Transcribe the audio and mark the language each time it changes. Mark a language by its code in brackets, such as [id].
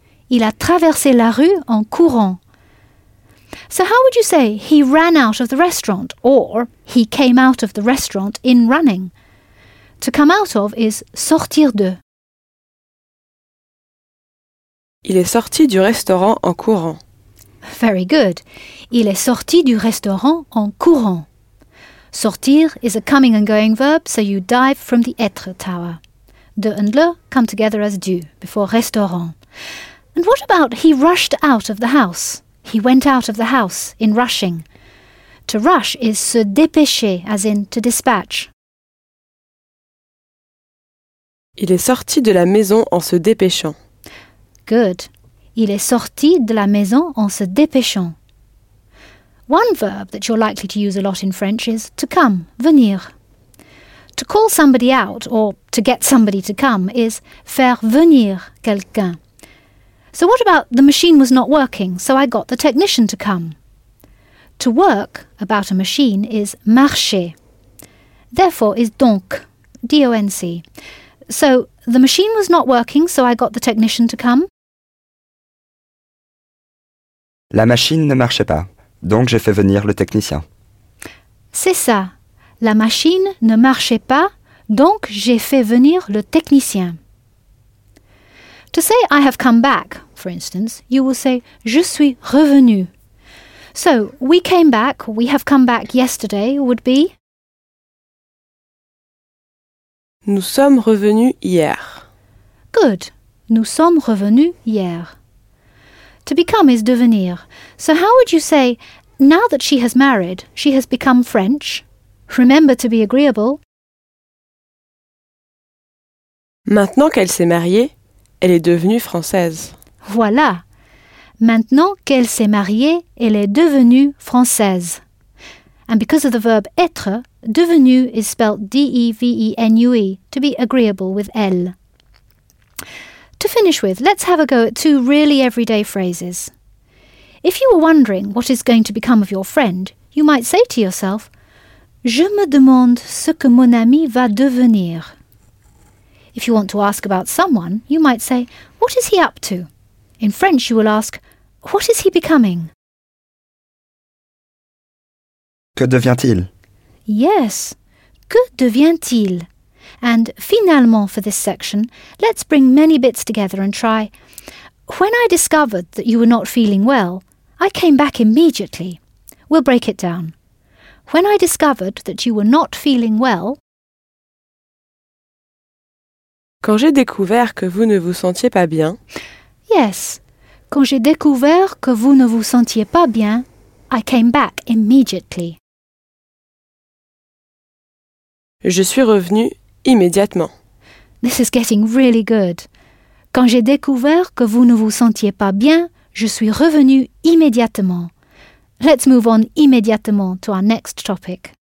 [fr] Il a traversé la rue en courant. [en] So how would you say, he ran out of the restaurant, or he came out of the restaurant in running? To come out of is sortir de. [fr] Il est sorti du restaurant en courant. [en] Very good. [fr] Il est sorti du restaurant en courant. [en] Sortir is a coming and going verb, so you dive from the être tower. De and le come together as du, before restaurant. And what about he rushed out of the house? He went out of the house in rushing. To rush is se dépêcher, as in to dispatch. [fr] Il est sorti de la maison en se dépêchant. [en] Good. [fr] Il est sorti de la maison en se dépêchant. [en] One verb that you're likely to use a lot in French is to come, venir. To call somebody out or to get somebody to come is [fr] faire venir quelqu'un. [en] So what about the machine was not working, so I got the technician to come? To work about a machine is marcher. Therefore is donc, D-O-N-C. So the machine was not working, so I got the technician to come. [fr] La machine ne marchait pas, donc j'ai fait venir le technicien. C'est ça. La machine ne marchait pas, donc j'ai fait venir le technicien. [en] To say I have come back, for instance, you will say [fr] je suis revenu. [en] So, we came back, we have come back yesterday would be... [fr] Nous sommes revenus hier. [en] Good. [fr] Nous sommes revenus hier. [en] To become is devenir. So how would you say, now that she has married, she has become French? Remember to be agreeable. [fr] Maintenant qu'elle s'est mariée, elle est devenue française. Voilà. Maintenant qu'elle s'est mariée, elle est devenue française. [en] And because of the verb être, devenu is spelled D-E-V-E-N-U-E, to be agreeable with elle. To finish with, let's have a go at two really everyday phrases. If you were wondering what is going to become of your friend, you might say to yourself, [fr] Je me demande ce que mon ami va devenir. [en] If you want to ask about someone, you might say, What is he up to? In French, you will ask, What is he becoming? [fr] Que devient-il? [en] Yes, [fr] que devient-il? [en] And finalement for this section, let's bring many bits together and try. When I discovered that you were not feeling well, I came back immediately. We'll break it down. When I discovered that you were not feeling well. [fr] Quand j'ai découvert que vous ne vous sentiez pas bien. [en] Yes. [fr] Quand j'ai découvert que vous ne vous sentiez pas bien, [en] I came back immediately. [fr] Je suis revenue immédiatement. [en] This is getting really good. [fr] Quand j'ai découvert que vous ne vous sentiez pas bien, je suis revenue immédiatement. [en] Let's move on immédiatement to our next topic.